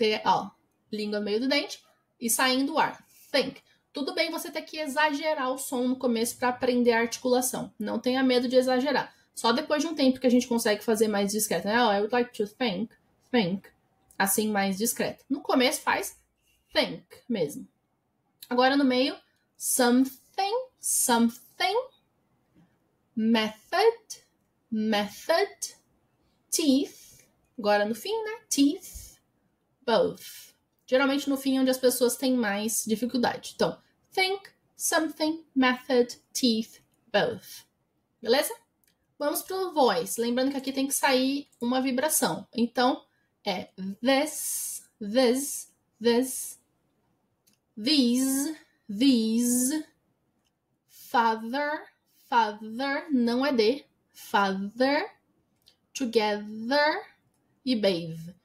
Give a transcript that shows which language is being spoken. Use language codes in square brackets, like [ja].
[pt] Ó, língua no meio do dente e saindo o ar. Think. Tudo bem você ter que exagerar o som no começo para aprender a articulação. Não tenha medo de exagerar. Só depois de um tempo que a gente consegue fazer mais discreto. Né? [en] Oh, I would like to think. Think. [pt] Assim, mais discreto. No começo, faz think mesmo. Agora, no meio, something, something. Method, method. Teeth. Agora, no fim, né? Teeth. Both. Geralmente no fim, onde as pessoas têm mais dificuldade. Então, think, something, method, teeth, both. Beleza? Vamos para o voice. Lembrando que aqui tem que sair uma vibração. Então, é this, this, this. These, these. Father, father. Não é de. Father. Together. E bathe.